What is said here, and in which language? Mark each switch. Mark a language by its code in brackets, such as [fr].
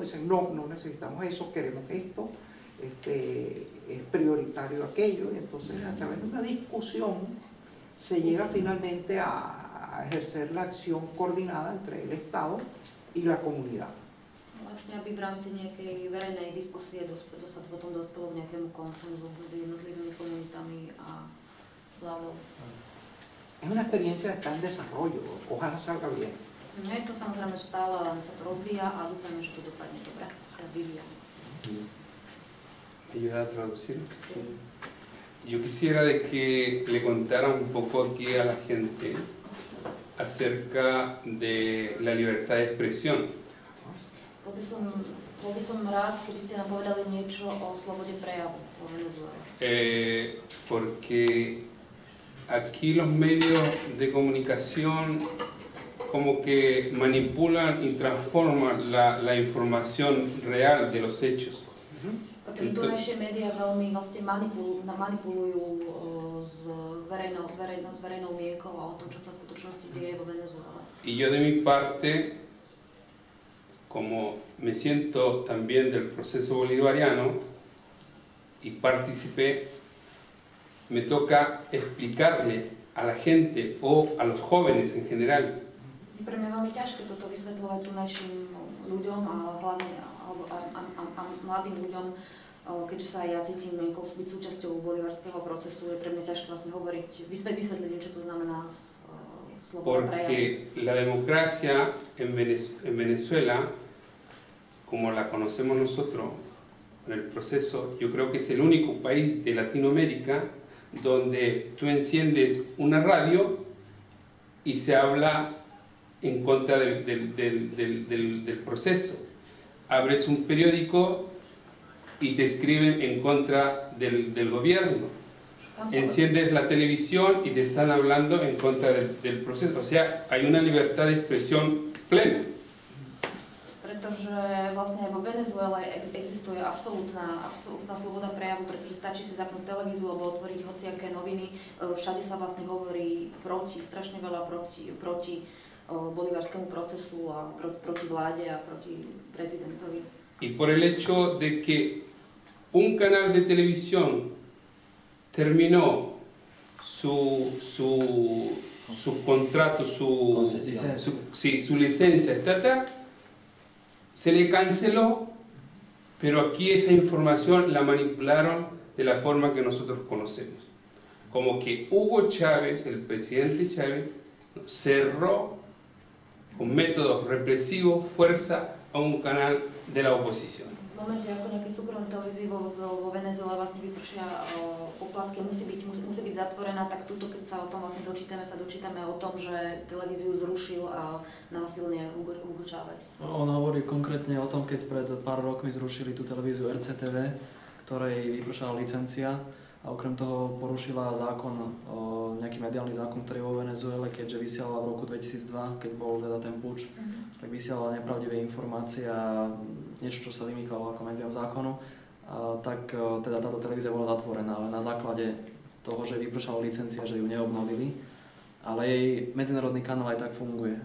[es] Dicen, no, no necesitamos eso, queremos esto, es prioritario aquello. Y entonces, a través de una discusión, se llega finalmente a ejercer la acción coordinada entre el Estado y la comunidad. [sk] Vlastne, aby v rámci nejakej verejnej diskusie sa potom dospelo k nejakému konsenzu medzi jednotlivými komunitami a vládou. [es] Es una experiencia que está en desarrollo. Ojalá salga bien. [sk] No je to samozrejme stále, len sa to rozvíja a dúfame, že to dopadne dobre. Tak vyvíjame. [es] Ayuda a traducir? Yo quisiera de que le contara un poco aquí a la gente acerca de la libertad de expresión. [sk] Bol by som rád, keby ste nám povedali niečo o slobode prejavu vo Venezuele. [es] Porque aquí los medios de comunicación como que manipulan y transforman la información real de los hechos. [sk] Tu naše médiá veľmi vlastne manipulujú s verejnou mienkou a o tom, čo sa v skutočnosti deje vo Venezuele. [es] Y yo de mi parte, como me siento también del proceso bolivariano y participé, me toca explicarle a la gente o a los jóvenes en general. Y para mí es muy [sk] ťažké toto vysvetľovať tu našim ľuďom a hlavne a mladým ľuďom, keďže sa ja cítim nejakou byť súčasťou bolivarského procesu, je pre mňa ťažké vlastne hovoriť, vysvetliť, čo to znamená sloboda [es] Porque la democracia en Venezuela, como la conocemos nosotros en el proceso, yo creo que es el único país de Latinoamérica donde tú enciendes una radio y se habla en contra del proceso. Abres un periódico y te escriben en contra del gobierno. Enciendes la televisión y te están hablando en contra del proceso. O sea, hay una libertad de expresión plena. [sk] Pretože vlastne aj vo Venezuele existuje absolútna sloboda prejavu, pretože stačí si zapnúť televízu alebo otvoriť hociaké noviny. Všade sa vlastne hovorí proti, strašne veľa proti bolivarskému procesu a proti vláde a proti prezidentovi. [es] Y por el hecho de que un canal de televisión terminó su contrato, su licencia. Su licencia estatal, se le canceló, pero aquí esa información la manipularon de la forma que nosotros conocemos. Como que Hugo Chávez, el presidente Chávez, cerró con métodos represivos, fuerza, a un canal de la oposición. [sk] Momente, ako nejaký súkromný televízii vo Venezuele vlastne vypršia poplatky, musí byť zatvorená, tak túto, keď sa o tom vlastne dočítame o tom, že televíziu zrušil a násilne Hugo Chávez. On hovorí konkrétne o tom, keď pred pár rokmi zrušili tú televíziu RCTV, ktorej vypršala licencia a okrem toho porušila zákon, nejaký mediálny zákon, ktorý vo Venezuele, keďže vysielala v roku 2002, keď bol teda ten puč, tak vysielala nepravdivé informácie a niečo, čo sa vymýkalo ako medziom zákonu, tak teda táto televízia bola zatvorená, ale na základe toho, že vypršala licencia, že ju neobnovili, ale jej medzinárodný kanál aj tak funguje.